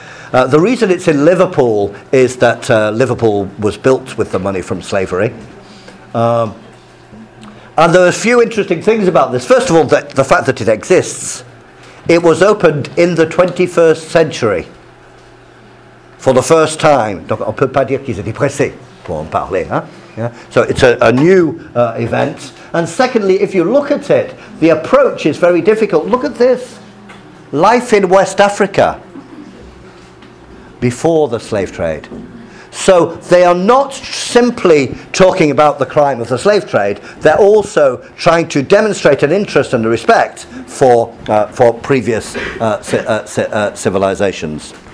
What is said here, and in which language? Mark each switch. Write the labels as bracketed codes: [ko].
[en] The reason it's in Liverpool is that Liverpool was built with the money from slavery. And there are a few interesting things about this. First of all, the fact that it exists. It was opened in the 21st century. For the first time, [fr] donc on peut pas dire qu'ils étaient pressés pour en parler, hein? [en] Yeah. So it's a new event. And secondly, if you look at it, the approach is very difficult. Look at this: life in West Africa before the slave trade. So they are not simply talking about the crime of the slave trade, they're also trying to demonstrate an interest and a respect for previous civilizations.